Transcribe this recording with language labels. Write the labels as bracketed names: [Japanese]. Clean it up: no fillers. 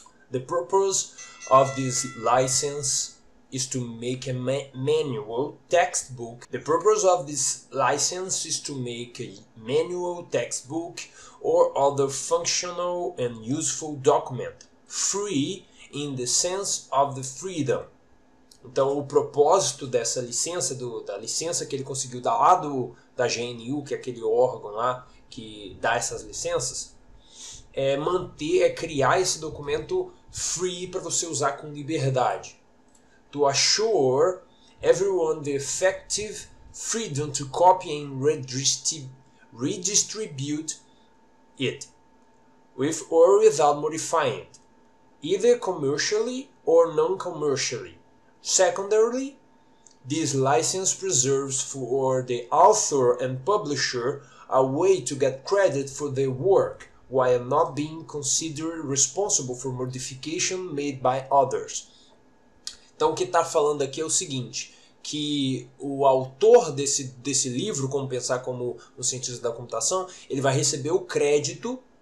[English] The purpose of this license is to make a manual textbook. The purpose of this license is to make a manual textbook or other functional and useful document, free in the sense of the freedom. [Portuguese] Então, o propósito dessa licença, da licença que ele conseguiu dar lá da GNU, que é aquele órgão lá que dá essas licenças, é manter, é criar esse documento free para você usar com liberdade. [English] To assure everyone the effective freedom to copy and redistribute it, with or without modifying it, either commercially or non-commercially. Secondarily, this license preserves for the author and publisher a way to get credit for their work while not being considered responsible for modification made by others. [Portuguese] Então, o que está falando aqui é o seguinte: que o autor desse livro, Como Pensar como um Cientista da Computação, ele vai receber o crédito